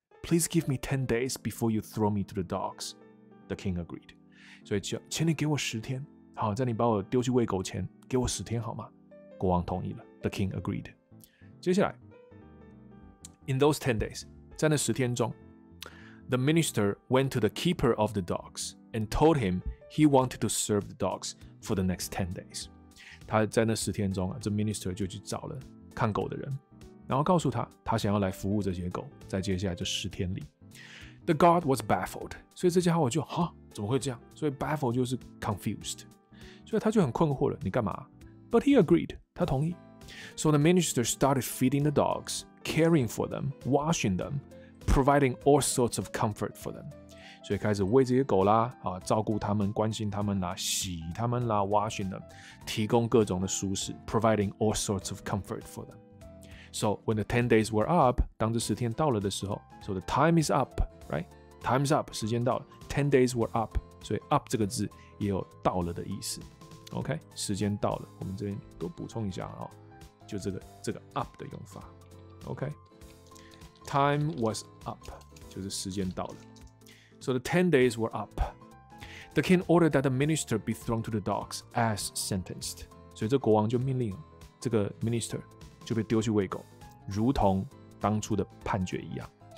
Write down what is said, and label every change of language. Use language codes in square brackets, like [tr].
[en] Please give me 10 days before you throw me to the dogs. The king agreed. [zh] 所以请你给我10天，好，在你把我丢去喂狗前，给我10天好吗？国王同意了。 [en] The king agreed. [zh] 接下来 [en] ，In those 10 days, [zh] 在那10天中 [en] ，the minister went to the keeper of the dogs and told him he wanted to serve the dogs for the next 10 days. [zh] 他在那10天中啊，这 minister 就去找了看狗的人。然后告诉他，他想要来服务这些狗，在接下来这10天里。 [en] The guard was baffled. [zh] 所以这家伙就哈，怎么会这样？所以 baffled 就是 confused， 所以他就很困惑了。你干嘛 ？ [en] But he agreed. [zh] 他同意。 [en] So the minister started feeding the dogs, caring for them, washing them, providing all sorts of comfort for them. [zh] 所以开始喂这些狗啦，啊，照顾他们，关心他们啦，洗他们啦 ， [en] washing them， [zh] 提供各种的舒适 ， [en] providing all sorts of comfort for them. So when the 10 days were up, [zh] 当这十天到了的时候 [en] ，so the time is up, right? Time's up, [zh] 时间到了。 [en] 10 days were up, [zh] 所以 up 这个字也有到了的意思。 OK, 时间到了，我们这边多补充一下哦，就这个 up 的用法。 [en] OK, time was up, [zh] 就是时间到了。 [en] So the 10 days were up. The king ordered that the minister be thrown to the dogs as sentenced. [zh] 所以这国王就命令这个 minister 就被丢去喂狗，如同当初的判决一样。